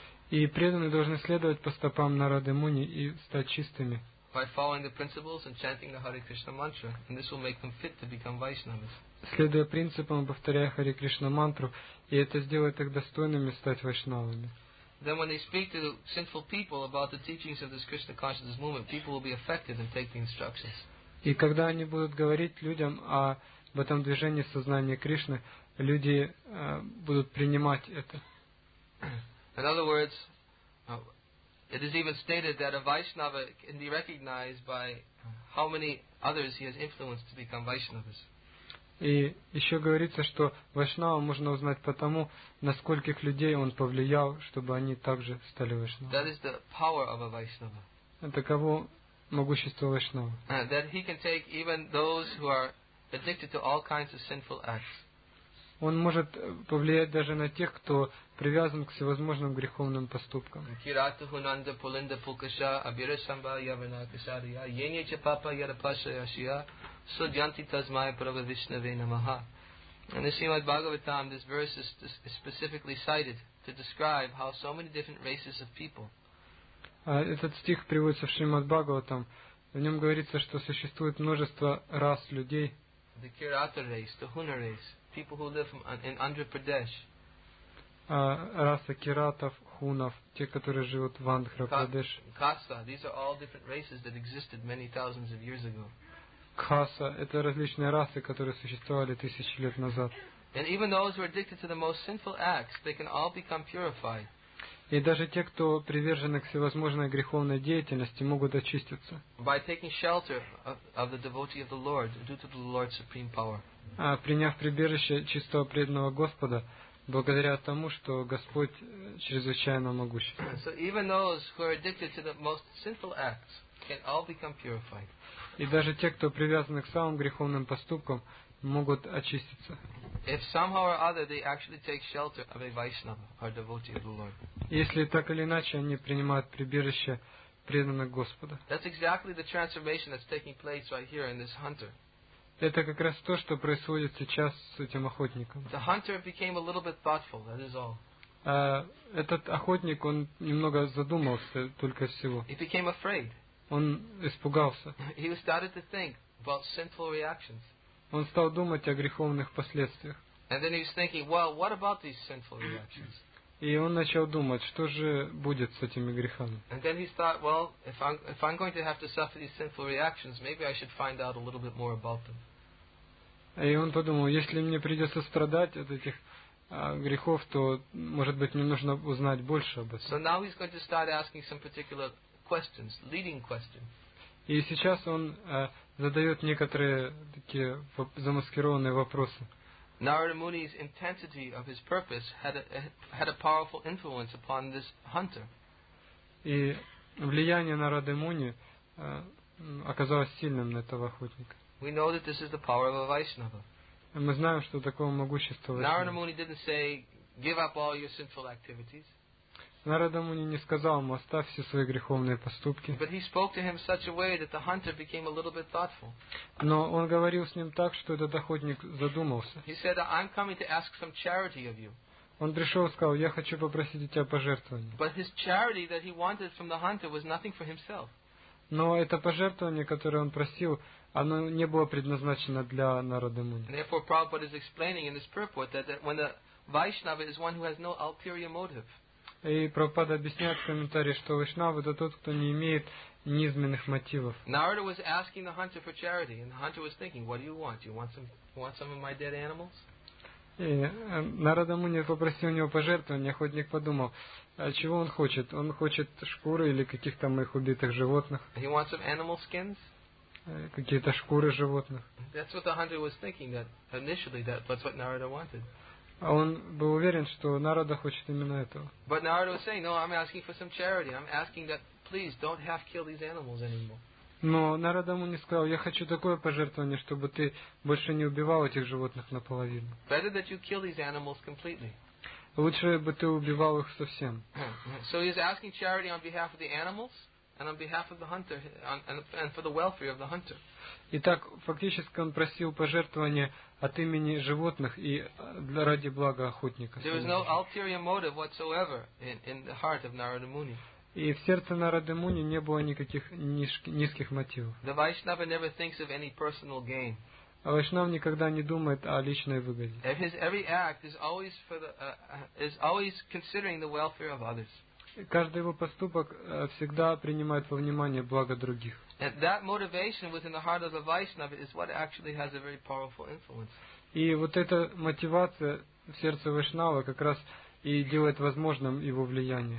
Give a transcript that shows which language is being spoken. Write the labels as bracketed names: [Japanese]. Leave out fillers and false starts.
[Russian] И преданные должны следовать по стопам Нарады Муни и стать чистыми. [English] By following the principles and chanting the Hare Krishna mantra, and this will make them fit to become Vaishnavas. [Russian] Следуя принципам, повторяя Хари Кришна мантру, и это сделает их достойными стать вайшнавами. [English] Then when they speak to the sinful people about the teachings of this Krishna consciousness movement, people will be affected and take the instructions. [Russian] И когда они будут говорить людям об этом движении сознания Кришны, люди будут принимать это. [English] In other words, it is even stated that a Vaishnava can be recognized by how many others he has influenced to become Vaishnavas. [Russian] И еще говорится, что вайшнава можно узнать по тому, на скольких людей он повлиял, чтобы они также стали вайшнавами. [English] That is the power of a Vaishnava. [Russian] Таково могущество вайшнава. [English] That he can take even those who are addicted to all kinds of sinful acts. [Russian] Он может повлиять даже на тех, кто привязан к всевозможным греховным поступкам. [Sanskrit] Кирату хунанда пулинда пукаша абирасамба явана кисария йенья ча папа ярапаша яшия судьянти тазмая прававишнаве намаха. [English] In the Srimad Bhagavatam, this verse is specifically cited to describe how so many different races of people. [Russian] Этот стих приводится в Шримад Бхагаватам. В нем говорится, что существует множество рас людей. [English] The Kirata race, the Huna race, people who live in Andhra Pradesh. [Russian] Раса Киратов, Хунов, те, которые живут в Андхра Прадеш. [English] Каса, these are all different races that existed many thousands of years ago. [Russian] Каса, это различные расы, которые существовали тысячи лет назад. [English] And even those who are addicted to the most sinful acts, they can all become purified. [Russian] И даже те, кто привержены к всевозможной греховной деятельности, могут очиститься. [English] By taking shelter of the devotee of the Lord, due to the Lord's supreme power. [Russian] Приняв прибежище чистого преданного Господа, благодаря тому, что Господь чрезвычайно могущественен. [English] So even those who are addicted to the most sinful acts can all become purified. [Russian] И даже те, кто привязаны к самым греховным поступкам, могут очиститься. [English] If somehow or other they actually take shelter of a Vaishnava or devotee of the Lord. [Russian] Если так или иначе они принимают прибежище преданных Господа. [English] That's exactly the transformation that's taking place right here in this hunter. [Russian] Это как раз то, что происходит сейчас с этим охотником. [English] The hunter became a little bit thoughtful, that is all. [Russian] Этот охотник, он немного задумался только всего. [English] He became afraid. [Russian] Он испугался. [English] He started to think about sinful reactions. [Russian] Он стал думать о греховных последствиях. [English] And then he was thinking, well, what about these sinful reactions? [Russian] И он начал думать, что же будет с этими грехами. [English] And then he thought, well, if I'm going to have to suffer these sinful reactions, maybe I should find out a little bit more about them. [Russian] И он подумал, если мне придется страдать от этих грехов, то, может быть, мне нужно узнать больше об этом. [English] So now he's going to start asking some particular questions, leading questions. [Russian] И сейчас он задает некоторые такие замаскированные вопросы. [English] Narada Muni's intensity of his purpose had a powerful influence upon this hunter. [Russian] И влияние Нарады Муни оказалось сильным на этого охотника. [English] We know that this is the power of a Vaishnava. [Russian] Мы знаем, что такое могущество Vaishnava. [English] Narada Muni didn't say, give up all your sinful activities. [Russian] Нарада Муни не сказал ему, оставь все свои греховные поступки. [English] But he spoke to him in such a way that the hunter became a little bit thoughtful. [Russian] Но он говорил с ним так, что этот охотник задумался. [English] He said, I'm coming to ask some charity of you. [Russian] Он пришел и сказал, я хочу попросить у тебя пожертвования. [English] But his charity that he wanted from the hunter was nothing for himself. [Russian] Но это пожертвование, которое он просил, оно не было предназначено для Нарады Муни. [English] And therefore, Prabhupada is explaining in this purport that when the Vaishnava is one who has no ulterior motive. [Russian] И Прабхупада объясняет в комментарии, что Вайшнава — это тот, кто не имеет низменных мотивов. [English] Narada was asking the hunter for charity, and the hunter was thinking, what do you want? You want some of my dead animals? [Russian] И Нарада Муни попросил у него пожертвования, охотник подумал, а чего он хочет? Он хочет шкуры или каких-то моих убитых животных? [English] He wants some animal skins? [Russian] Какие-то шкуры животных. [English] That's what the hunter was thinking, that initially that's what Narada wanted. [Russian] А он был уверен, что Нарада хочет именно этого. [English] But Narada was saying, no, I'm asking for some charity. I'm asking that, please, don't have to kill these animals anymore. [Russian] Но Нарада ему не сказал, я хочу такое пожертвование, чтобы ты больше не убивал этих животных наполовину. [English] Better that you kill these animals completely. [Russian] Лучше бы ты убивал их совсем. [English] So he's asking charity on behalf of the animals and on behalf of the hunter and for the welfare of the hunter. [Russian] Итак, фактически он просил пожертвования от имени животных и ради блага охотника. [English] There was no ulterior motive whatsoever in the heart of Narada Muni. [Russian] И в сердце Нарады Муни не было никаких низких мотивов. [English] The Vaishnava never thinks of any personal gain. [Russian] А Вайшнав никогда не думает о личной выгоде. [English] Every act is always for the is always considering the welfare of others. [Russian] Каждый его поступок всегда принимает во внимание благо других. [English] And that motivation within the heart of the Vaishnava is what actually has a very powerful influence. [Russian] И вот эта мотивация в сердце Вайшнава как раз и делает возможным его влияние.